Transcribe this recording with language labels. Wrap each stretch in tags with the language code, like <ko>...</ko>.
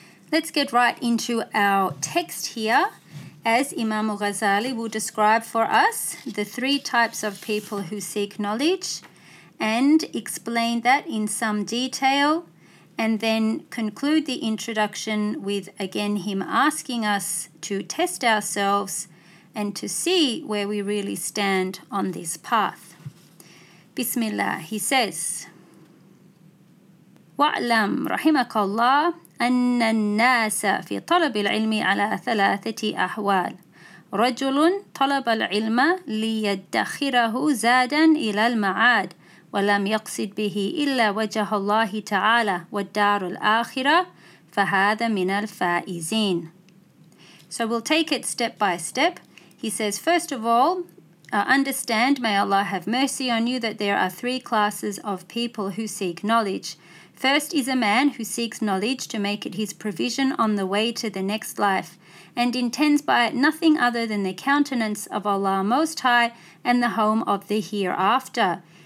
<en>Let's get right into our text here, as Imam Ghazali will describe for us the three types of people who seek knowledge and explain that in some detail, and then conclude the introduction with again him asking us to test ourselves and to see where we really stand on this path.</en> <ar>Bismillah,</ar> <en>he says,</en> <ar>وَعْلَمْ رَحِمَكَ اللَّهُ أن الناس في طلب العلم على ثلاثة أحوال رجل طلب العلم ليدخره زادا إلى المعاد ولم يقصد به إلا وجه الله تعالى والدار الآخرة فهذا من الفائزين.</ar> <en>So we'll take it step by step. He says, first of all, understand, may Allah have mercy on you, that there are three classes of people who seek knowledge. First is a man who seeks knowledge to make it his provision on the way to the next life and intends by it nothing other than the countenance of Allah Most High and the home of the hereafter.</en>